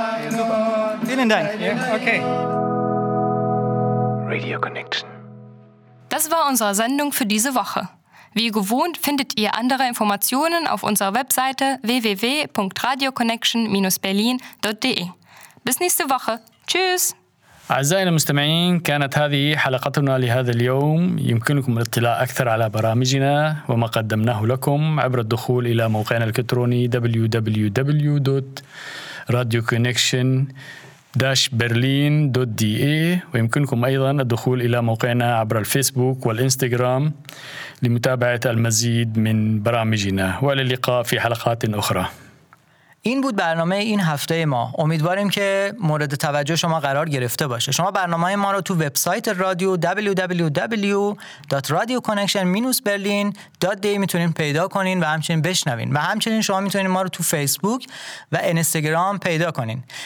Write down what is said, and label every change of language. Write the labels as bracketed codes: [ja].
[de] Super. Vielen Dank. Yeah. Okay. Radio Connection. Das war unsere Sendung für diese Woche. Wie gewohnt findet ihr andere Informationen auf unserer Webseite www.radioconnection-berlin.de. Bis nächste Woche. Tschüss! [ar] أعزائي المستمعين كانت هذه حلقتنا لهذا اليوم يمكنكم الاطلاع أكثر على برامجنا وما قدمناه لكم عبر الدخول إلى موقعنا الإلكتروني www.radioconnection.com www.berlin.de ويمكنكم أيضا الدخول إلى موقعنا عبر الفيسبوك والإنستغرام لمتابعة المزيد من برامجنا وإلى اللقاء في حلقات أخرى. [fa] این بود برنامه این هفته ما. امیدواریم که مورد توجه شما قرار گرفته باشه. شما برنامه ما رو تو وبسایت رادیو www.radioconnection-berlin.de میتونین پیدا کنین و همچنین بشنوین. و همچنین شما میتونین ما رو تو فیسبوک و اینستاگرام پیدا کنین.